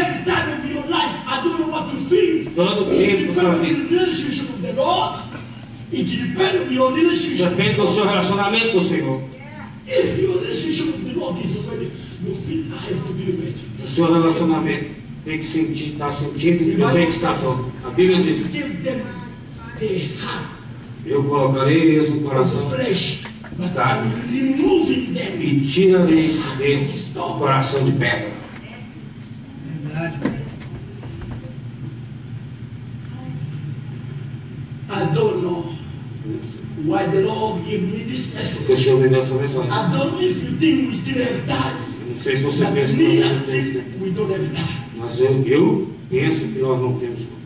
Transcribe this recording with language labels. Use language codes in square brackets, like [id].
[en] Every time of your life, I don't know what you feel. [pt] Todo tempo da sua vida. [en] It depends on your relationship with the Lord. It depends on your relationship. [pt] Depende do seu relacionamento com o Senhor. [en] If your relationship with the Lord is already, you feel I have to be ready. [pt] O seu relacionamento tem que sentir, está sentindo, tem que estar pronto. A Bíblia diz. [en] Give them the heart. [pt] Eu colocarei eles no coração [en] fresh, [pt] carne, e tirarei deles o coração de pedra. [en] I don't know why the Lord gave me this message. [pt] O Senhor me deu essa mensagem. [en] I don't know if you think we still have time. [pt] Não sei se você pensa que nós não temos tempo. [en] We don't have time. [pt] Mas eu penso que nós não temos tempo.